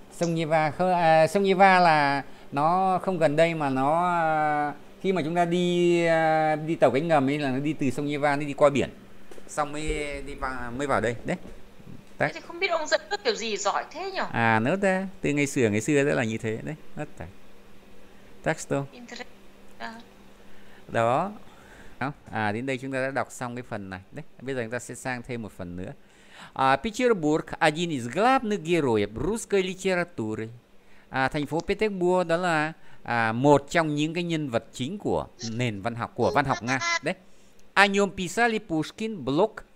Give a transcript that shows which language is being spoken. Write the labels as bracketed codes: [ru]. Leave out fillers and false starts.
[vi] Sông Neva không, sông Neva là nó không gần đây mà nó khi mà chúng ta đi đi tàu cánh ngầm ấy là nó đi từ sông Neva đi đi qua biển xong mới đi vào mới vào đây đấy. Thế thì không biết ông dẫn nước kiểu gì giỏi thế nhỉ? À nốt ra từ ngày xưa đó là như thế đấy, nốt tại texto đó. À đến đây chúng ta đã đọc xong cái phần này đấy, bây giờ chúng ta sẽ sang thêm một phần nữa. [ru] À, Petersburg, один из главных героев русской литературы. [vi] À, thành phố Petersburg đó là một trong những cái nhân vật chính của nền văn học của văn học Nga đấy. [ru] Anh писали Пушкин, Блок.